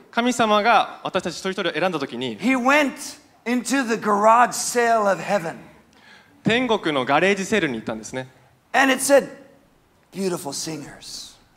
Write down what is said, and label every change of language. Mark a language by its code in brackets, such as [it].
[ja] 神様が私たち一人一人を選んだときに、 [en] He went into the garage sale of heaven. [ja] 天国のガレージセールに行ったんですね。 [en] And it said, beautiful singers.